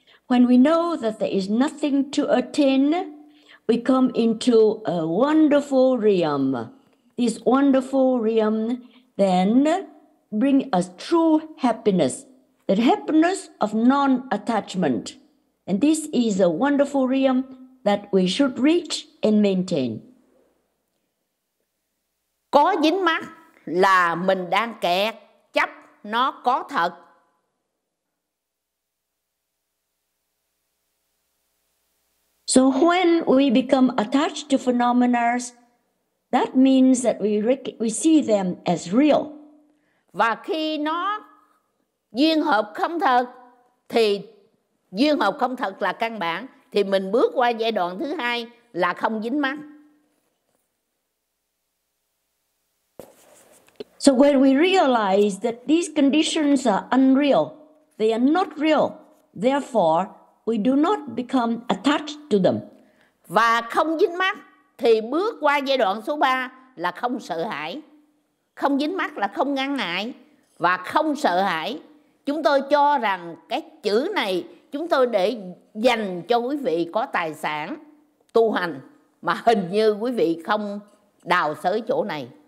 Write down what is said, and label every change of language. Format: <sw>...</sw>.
<en>When we know that there is nothing to attain, we come into a wonderful realm. This wonderful realm then bring us true happiness, the happiness of non-attachment. And this is a wonderful realm that we should reach and maintain.</en> <vi>Có dính mắc là mình đang kẹt, chấp nó có thật.</vi> <en>So when we become attached to phenomena, that means that we see them as real.</en> <vi>Và khi nó duyên hợp không thật, thì duyên hợp không thật là căn bản, thì mình bước qua giai đoạn thứ hai là không dính mắc.</vi> <en>So when we realize that these conditions are unreal, they are not real, therefore we do not become attached to them.</en> <vi>Và không dính mắc thì bước qua giai đoạn số 3 là không sợ hãi. Không dính mắc là không ngăn ngại và không sợ hãi. Chúng tôi cho rằng cái chữ này chúng tôi để dành cho quý vị có tài sản tu hành, mà hình như quý vị không đào xới chỗ này.</vi>